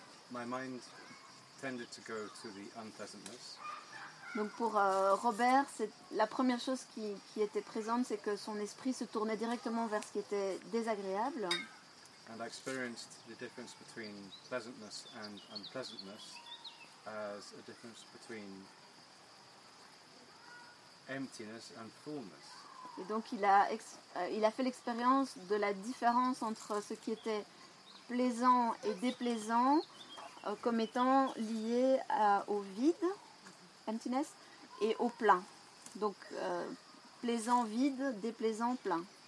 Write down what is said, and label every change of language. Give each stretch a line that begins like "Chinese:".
English: My mind tended to go to the unpleasantness.
French: Donc pour Robert, c'est la première chose qui était présente, c'est que son esprit se tournait directement vers ce qui était désagréable.
English: And I experienced the difference between pleasantness and unpleasantness as a difference between emptiness and fullness.
French: Et donc il a fait l'expérience de la différence entre ce qui était plaisant et déplaisant comme étant lié au vide, emptiness, et au plein. Donc plaisant vide, déplaisant plein.